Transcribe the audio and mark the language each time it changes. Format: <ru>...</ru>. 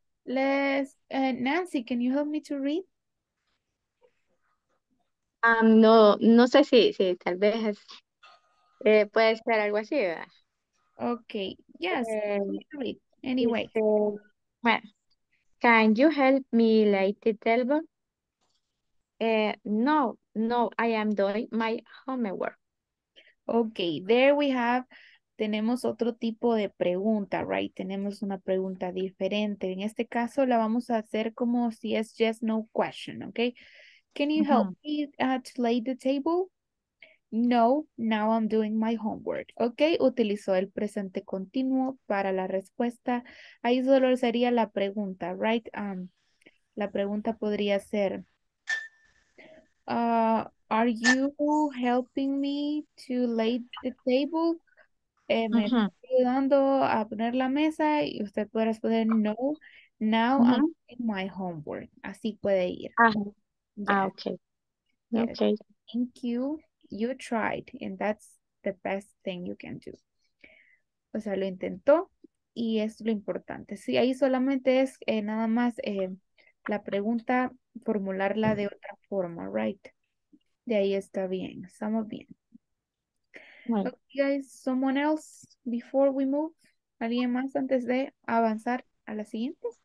<en>Let's, Nancy, can you help me to read?</en> <es>No, no sé si tal vez puede ser algo así, ¿verdad?</es> <en>Okay, yes. Anyway. Can you help me light the table? No, I am doing my homework. Okay, there we have,</en> <es>tenemos otro tipo de pregunta,</es> <en>right?</en> <es>Tenemos una pregunta diferente. En este caso la vamos a hacer como si es</es> <en>yes, no question, okay? Can you help me to lay the table? No, now I'm doing my homework.</en> <es>Ok, utilizó el presente continuo para la respuesta. Ahí solo sería la pregunta, right? La pregunta podría ser,</es> <en>are you helping me to lay the table?</en> <es>Me estoy ayudando a poner la mesa y usted puede responder,</es> <en>no, now I'm doing my homework.</en> <es>Así puede ir.</es> <en>Okay. Thank you. You tried, and that's the best thing you can do.</en> <es>O sea, lo intentó, y es lo importante. Sí, ahí solamente es nada más la pregunta, formularla de otra forma, right? De ahí está bien, estamos bien. Right.</es> <en>Okay, guys, someone else before we move?</en> <es>¿Alguien más antes de avanzar a la siguiente?</es>